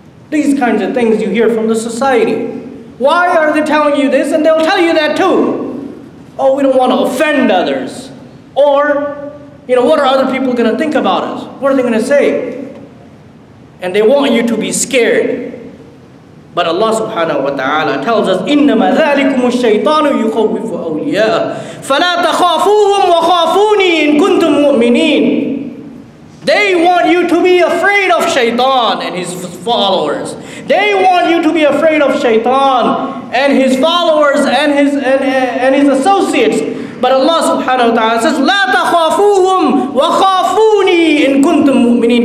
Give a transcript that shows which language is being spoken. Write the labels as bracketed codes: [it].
[en] These kinds of things you hear from the society. Why are they telling you this? And they'll tell you that too. Oh, we don't want to offend others. Or, you know, what are other people gonna think about us? What are they gonna say? And they want you to be scared. But Allah subhanahu wa ta'ala tells us, [ar] إِنَّمَا ذَلِكُمُ الشَّيْطَانُ يُخَوِّفُ أَوْلِيَاءَ فَلَا تَخَافُوهُمْ وَخَافُونِي إِن كُنْتُمْ مُؤْمِنِينَ. [en] They want you to be afraid of shaitan and his followers. They want you to be afraid of shaitan and his followers and his associates. But Allah subhanahu wa ta'ala says, [ar] لَا تَخَافُوهُمْ وَخَافُونِي إِن كُنْتُمْ مُؤْمِنِينَ.